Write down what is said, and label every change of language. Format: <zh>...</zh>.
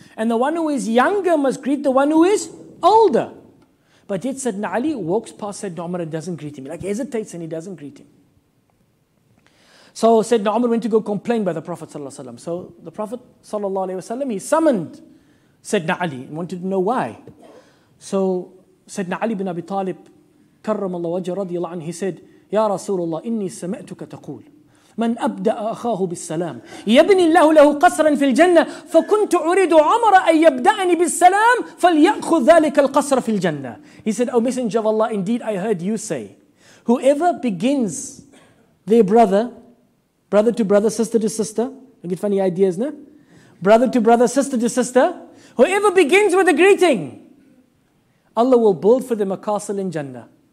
<en>And the one who is younger must greet the one who is older. But yet Sayyidina Ali walks past Sayyidina Umar and doesn't greet him. He like hesitates and he doesn't greet him. So Sayyidina Umar went to go complain by the Prophet sallallahu alaihi wasallam. So the Prophet sallallahu alaihi wasallam, he summoned Sayyidina Ali and wanted to know why. So Sayyidina Ali ibn Abi Talib,</en> <ar>كرم الله وجه رضي الله عنه,</ar> <en>he said,</en> <ar>يا رسول الله إني سمعتك تقول من أبدأ أخاه بالسلام يبني الله له قصرا في الجنة فكنت أريد عمر أن يبدأني بالسلام فليأخذ ذلك القصر في الجنة.</ar> <en>He said, O messenger of Allah, indeed I heard you say, whoever begins their brother to brother, sister to sister, you get funny ideas, no? Brother to brother, sister to sister, whoever begins with a greeting, Allah will build for them a castle in Jannah.</en>